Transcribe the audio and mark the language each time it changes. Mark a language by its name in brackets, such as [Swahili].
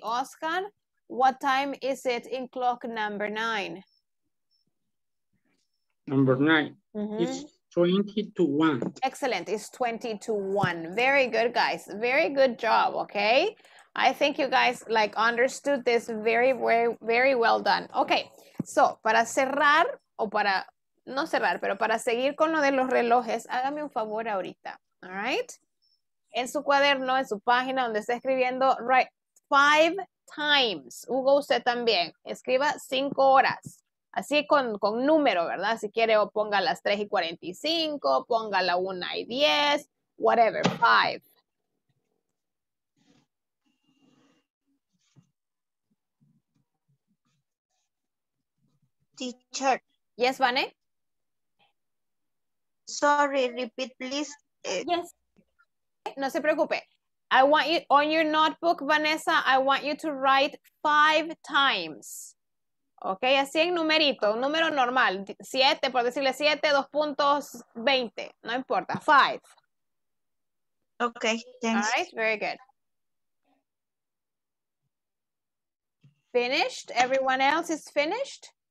[English] Oscar, what time is it in clock number 9? Number 9. Mm-hmm. It's 20 to 1. Excellent. It's 20 to 1. Very good, guys. Very good job. Okay. I think you guys like understood this very, very, very well done. Okay. [Spanish] So, para cerrar, o para no cerrar, pero para seguir con lo de los relojes, hágame un favor ahorita. [English] All right. [Spanish] En su cuaderno, en su página donde está escribiendo, [English] write 5 times. [Spanish] Hugo, usted también. Escriba 5 horas. Así con número, ¿verdad? Si quiere, o ponga las 3 y 45, ponga la 1 y 10, [English] whatever, [Spanish] 5. [English] Teacher. Yes, Vane. Sorry, repeat, please. Yes. [Spanish] No se preocupe. [English] I want you, on your notebook, Vanessa, I want you to write 5 times. [Spanish] Okay, así en numerito, un número normal, 7, por decirle 7, 2.20, no importa, 5. [English] Okay, thanks. All right, very good. Finished? Everyone else is finished?